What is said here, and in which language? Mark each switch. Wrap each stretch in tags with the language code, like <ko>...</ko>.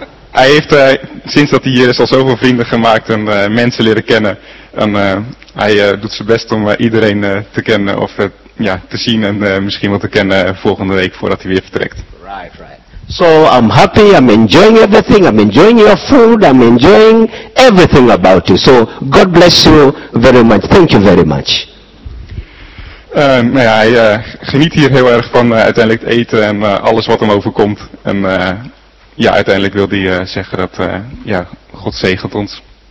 <nl>Hij heeft sinds dat hij hier is al zoveel vrienden gemaakt en mensen leren kennen. En hij doet zijn best om iedereen te kennen of te zien en misschien wel te kennen volgende week voordat hij weer vertrekt.</nl> <en>Right. So I'm happy, I'm enjoying everything, I'm enjoying your food, I'm enjoying everything about you. So God bless you very much, thank you very much.</en> <nl>Hij geniet hier heel erg van uiteindelijk het eten en alles wat hem overkomt. En uiteindelijk wil hij zeggen dat God zegent ons.</nl>